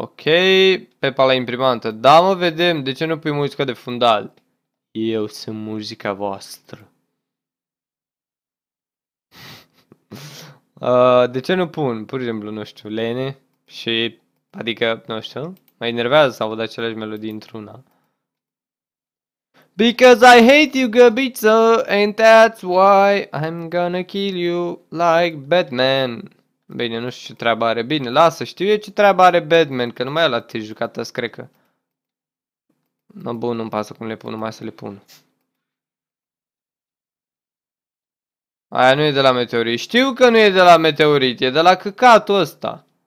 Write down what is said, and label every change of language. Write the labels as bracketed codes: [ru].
[ro] Ok, Pepa la imprimantă. Da, mă, vedem. De ce nu pui muzica de fundal? Eu sunt muzica voastră. De ce nu pun, pur și simplu, nu știu, lene? Și, adică, nu știu, mă enervează să aud aceleași melodii într-una. [en] Because I hate you, găbiță, and that's why I'm gonna kill you like Batman. [ro] Bine, nu știu ce treabă are. Bine, lasă, știu eu ce treabă are Batman, că nu mai e la tiri jucată, cred că. No, bun, nu-mi pasă cum le pun, numai să le pun. Aia nu e de la meteorit. Știu că nu e de la meteorit, e de la căcatul ăsta.